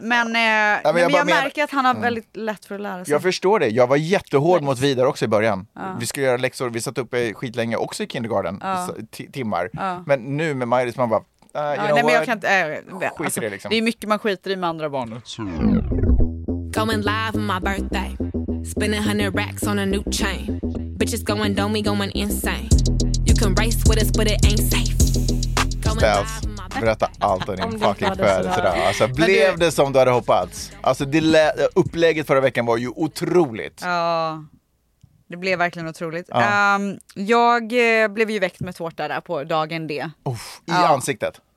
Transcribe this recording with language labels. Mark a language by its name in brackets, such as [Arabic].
[Swedish] Men jag märker att han har väldigt lätt för att lära sig. Jag förstår det. Jag var jättehård mot Vidar också i början. Ja. Vi skulle göra läxor. Vi satt uppe skitlänge också i kindergarten. Ja. Timmar. Ja. Men nu med Majlis, man bara... Det är mycket man skiter i med andra barn. [English] Going live on my birthday. Spending 100 racks on a new chain. Bitches going domey, going insane. You can race with us, but it ain't safe. Going live. [Swedish] Berätta allt om din fucking födelsedag. Alltså, blev det som du hade hoppats? Alltså, upplägget förra veckan var ju otroligt. Ja, det blev verkligen otroligt. Ja. Jag blev ju väckt med tårta där på dagen D. Ansiktet?